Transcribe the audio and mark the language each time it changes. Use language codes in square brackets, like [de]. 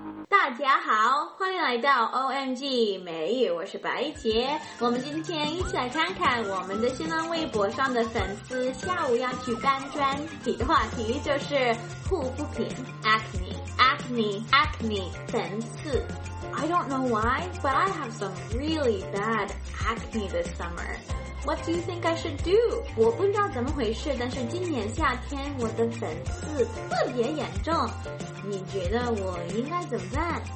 [zh] 大家好，欢迎来到 OMG 美语，我是白杰。我们今天一起来看看我们的新浪微博上的粉丝下午要举办专题的话题，就是护肤品 acne 粉刺。 [en] I don't know why, but I have some really bad acne this summer. What do you think I should do? [zh] 我不知道怎么回事，但是今年夏天我的粉刺特别严重，你觉得我应该怎么办？